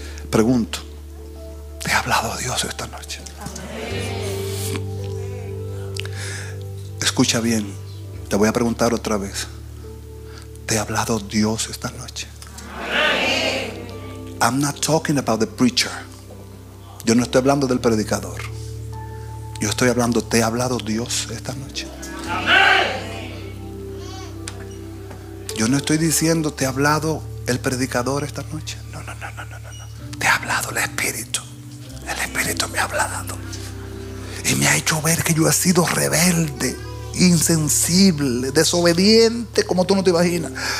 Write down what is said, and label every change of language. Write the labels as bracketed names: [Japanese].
[Spanish] Pregunto: ¿te ha hablado Dios esta noche? Escucha bien, te voy a preguntar otra vez: ¿te ha hablado Dios esta noche? [English] I'm not talking about the preacher. [Spanish] Yo no estoy hablando del predicador. Yo estoy hablando: ¿te ha hablado Dios esta noche? Amén. Yo no estoy diciendo: ¿te ha hablado el predicador esta noche? No, no, no, no, no, no. Te ha hablado el Espíritu. El Espíritu me ha hablado y me ha hecho ver que yo he sido rebelde, insensible, desobediente, como tú no te imaginas.